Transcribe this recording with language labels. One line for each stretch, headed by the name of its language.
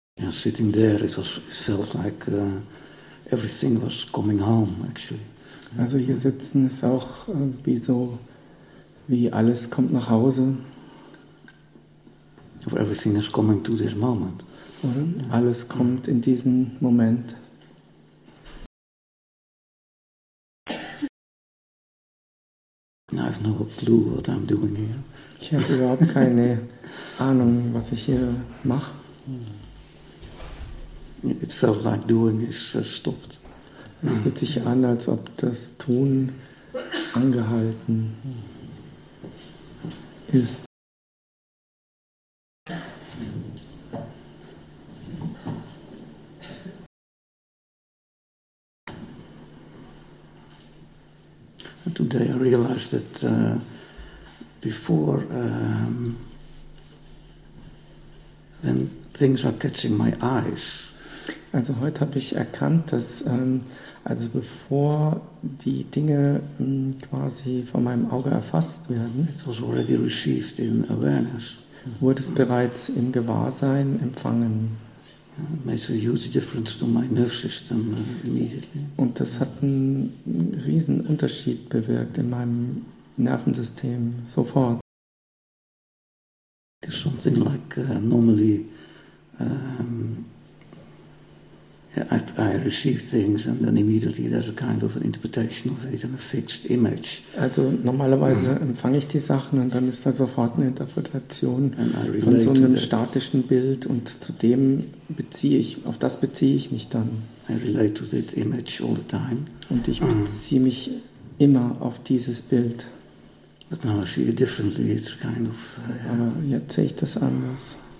English: Sitting there, it felt like everything was coming home, actually.
German: Also hier sitzen ist auch wie so, wie alles kommt nach Hause.
English: Or everything is coming to this moment.
German: Oder? Alles kommt in diesen Moment.
English: I have no clue what I'm doing here.
German: Ich habe überhaupt keine Ahnung, was ich hier mache.
English: It felt like doing is stopped.
German: Es fühlt sich an, als ob das Tun angehalten ist.
English: And today I realized that before when things are catching my eyes.
German: Also heute habe ich erkannt, dass also bevor die Dinge quasi von meinem Auge erfasst werden,
English: it was already received in awareness.
German: Wurde es bereits im Gewahrsein empfangen.
English: It makes a huge difference to my nerve system immediately.
German: Und das hat einen riesen Unterschied bewirkt in meinem Nervensystem sofort.
English: There's something like normally. I receive things and then immediately there's a kind of an interpretation of it and a fixed image.
German: Also normalerweise empfange ich die Sachen und dann ist da sofort eine Interpretation von so einem statischen Bild und zu dem beziehe ich mich dann.
English: I relate to that image all the time.
German: Und ich beziehe mich immer auf dieses Bild.
English: But now I see it differently. It's kind of.
German: Aber jetzt sehe ich das anders.